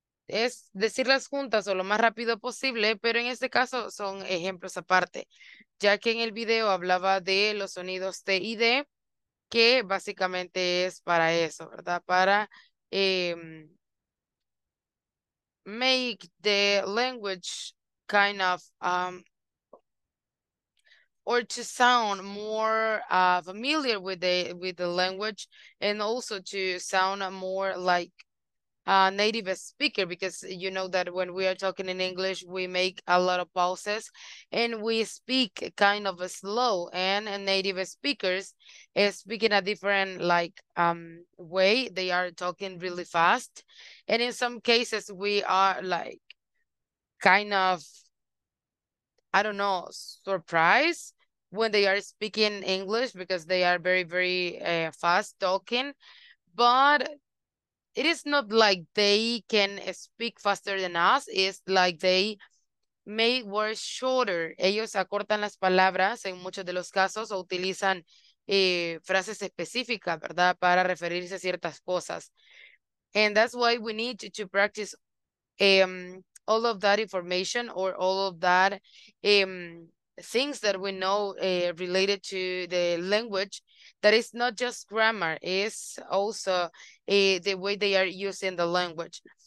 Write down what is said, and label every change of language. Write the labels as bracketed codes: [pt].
[es] Es decirlas juntas o lo más rápido posible, pero en este caso son ejemplos aparte, ya que en el video hablaba de los sonidos T y D, que básicamente es para eso, ¿verdad? [en] Para make the language kind of, or to sound more familiar with the language, and also to sound more like native speaker, because you know that when we are talking in English, we make a lot of pauses and we speak kind of slow, and native speakers speak in a different like way. They are talking really fast, and in some cases we are like kind of, I don't know, surprised when they are speaking English because they are very, very fast talking. But it is not like they can speak faster than us. It's like they make words shorter. [es] Ellos acortan las palabras en muchos de los casos o utilizan frases específicas, ¿verdad? Para referirse a ciertas cosas. [en] And that's why we need to practice all of that information, or all of that things that we know related to the language. That is not just grammar, it's also the way they are using the language.